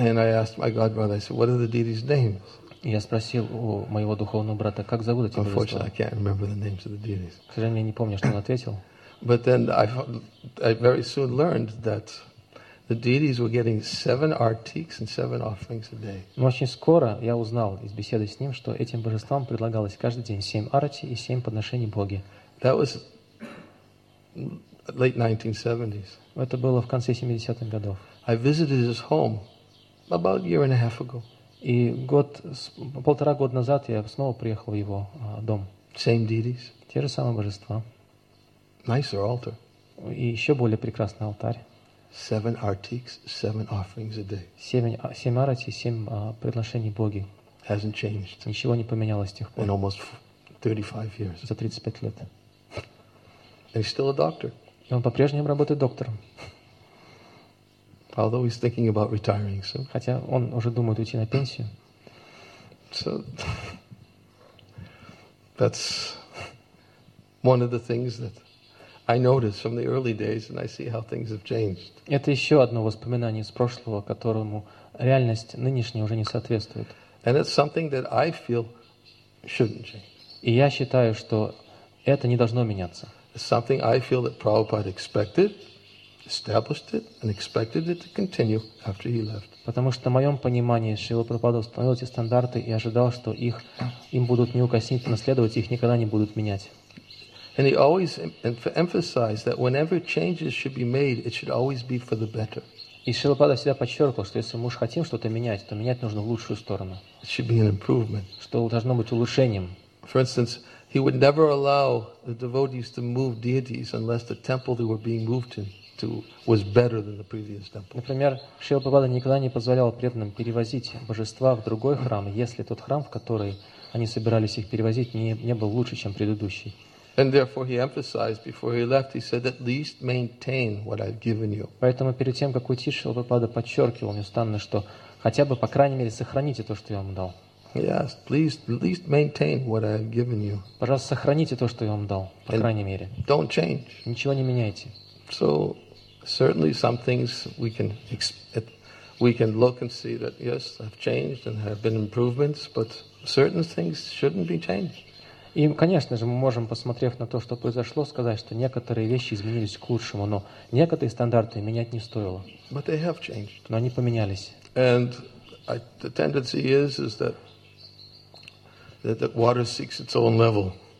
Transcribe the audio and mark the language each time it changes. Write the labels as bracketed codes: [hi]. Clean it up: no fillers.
[en] And I asked my god brother, I said, what are the deities' names? [ru] Я спросил у моего духовного брата, как зовут эти божества. [en] Unfortunately, I can't remember the names of the deities. [ru] К сожалению, я не помню, что он ответил. [en] But then I very soon learned that the deities were getting 7 artiks and 7 offerings a day. [ru] Но очень скоро я узнал из беседы с ним, что этим божествам предлагалось каждый день 7 арати и 7 подношений Боге. [en] That was late 1970s. [ru] Это было в конце 70-х годов. [en] I visited his home about a year and a half ago. [ru] И год, полтора года назад я снова приехал в его дом. [en] Same deities. [ru] Те же самые божества. [en] Nicer altar. [ru] И еще более прекрасный алтарь. [en] 7 artiks, 7 offerings a day. [ru] 7 арати, 7 предложений Боге. [en] Hasn't changed. [ru] Ничего не поменялось с тех пор. [en] In almost 35 years. [ru] За 35 лет. [en] And he's still a doctor. [ru] И он по-прежнему работает доктором. [en] Although he's thinking about retiring soon. [ru] Хотя он уже думает уйти на пенсию. [en] So that's one of the things that I noticed from the early days, and I see how things have changed. [ru] Это еще одно воспоминание из прошлого, которому реальность нынешняя уже не соответствует. [en] And it's something that I feel shouldn't change. [ru] И я считаю, что это не должно меняться. [en] It's something I feel that Prabhupada expected, established it, and expected it to continue after he left. [ru] Потому что в моем понимании Шрила Прабхупада установил эти стандарты и ожидал, что их им будут неукоснительно следовать, их никогда не будут менять. [en] And he always emphasized that whenever changes should be made, it should always be for the better. [ru] И Шрила Прабхупада всегда подчеркивал, что если мы уж хотим что-то менять, то менять нужно в лучшую сторону. [en] It should be an improvement. [ru] Что должно быть улучшением. [en] For instance, he would never allow the devotees to move deities unless the temple they were being moved to was better than the previous temple. [ru] Например, Шрила Прабхупада никогда не позволял преданным перевозить божества в другой храм, если тот храм, в который они собирались их перевозить, не был лучше, чем предыдущий. [en] And therefore, he emphasized before he left. He said, "At least maintain what I've given you." [ru] Поэтому перед тем, как уйти, Шрила Прабхупада подчеркивал неустанно, что хотя бы по крайней мере сохраните то, что я вам дал. [en] Yes, please, at least maintain what I've given you. [ru] Пожалуйста, сохраните то, что я вам дал, по крайней мере. [en] Don't change. [ru] Ничего не меняйте. [en] So, certainly, some things we can look and see that yes, I've changed and there have been improvements, but certain things shouldn't be changed. [ru] И, конечно же, мы можем, посмотрев на то, что произошло, сказать, что некоторые вещи изменились к лучшему, но некоторые стандарты менять не стоило. [en] But they have changed. [ru] Но они поменялись. [en] And the tendency is that water seeks its own level.